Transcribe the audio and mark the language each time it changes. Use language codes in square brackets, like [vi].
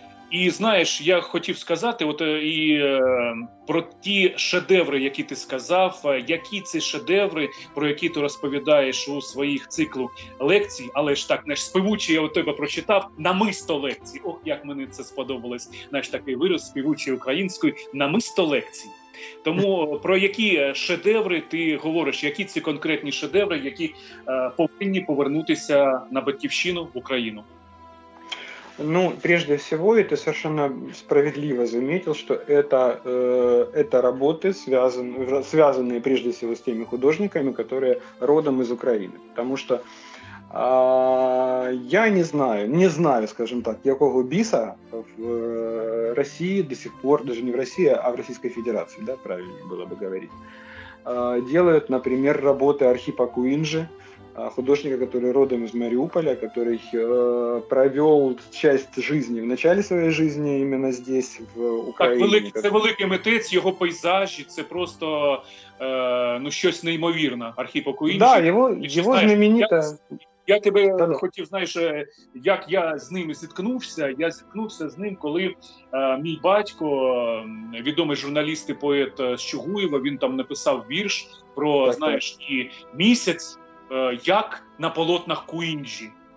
[uk] І знаєш, я хотів сказати от, і про ті шедеври, які ти сказав, які ці шедеври, про які ти розповідаєш у своїх циклу лекцій, але ж так, знаєш, співучі я у тебе прочитав, намисто лекцій. Ох, як мені це сподобалось, знаєш, такий вираз співучий українською, намисто лекцій. Тому про які шедеври ти говориш, які ці конкретні шедеври, які повинні повернутися на батьківщину в Україну? [ru] Ну, прежде всего, и ты совершенно справедливо заметил, что это работы, связанные прежде всего с теми художниками, которые родом из Украины. Потому что я не знаю, скажем так, какого биса в России до сих пор, даже не в России, а в Российской Федерации, да, правильнее было бы говорить, делают, например, работы Архипа Куинджи, художника, который родом из Мариуполя, который провел часть жизни, в начале своей жизни именно здесь, в Украине. Так, это великий митець, его пейзажи, это просто ну, что-то невероятное, Архіп Куинджі. Да, его знаменитое... [uk] Я тебе хотів, знаєш, як я з ними зіткнувся. Я зіткнувся з ним, коли мій батько, відомий журналіст і поет з Чугуєва, він там написав вірш про, так, знаєш, так. І місяць, як на полотнах Куинджі.